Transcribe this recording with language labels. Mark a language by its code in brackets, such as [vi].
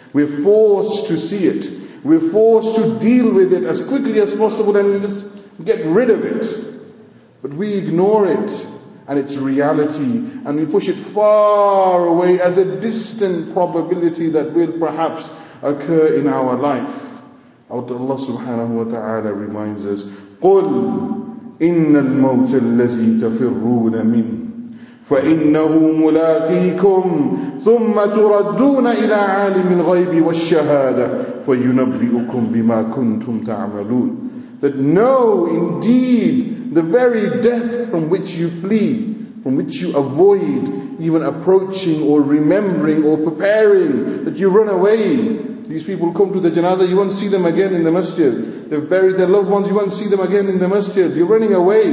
[en] We're forced to see it. We're forced to deal with it as quickly as possible and just get rid of it. But we ignore it and its reality, and we push it far away as a distant probability that will perhaps occur in our life. Allah subhanahu wa ta'ala reminds us, [ar] قُلْ إِنَّ الْمَوْتَ الَّذِي تَفِرُّونَ مِنْ فَإِنَّهُ مُلَاقِيكُمْ ثُمَّ تُرَدُّونَ إِلَىٰ عَالِمِ الْغَيْبِ وَالشَّهَادَةِ فَيُنَبِّئُكُمْ بِمَا كُنْتُمْ تَعْمَلُونَ. [en] That no, indeed, the very death from which you flee, from which you avoid even approaching or remembering or preparing, that you run away. These people come to the janazah, you won't see them again in the masjid. They've buried their loved ones, you won't see them again in the masjid. You're running away.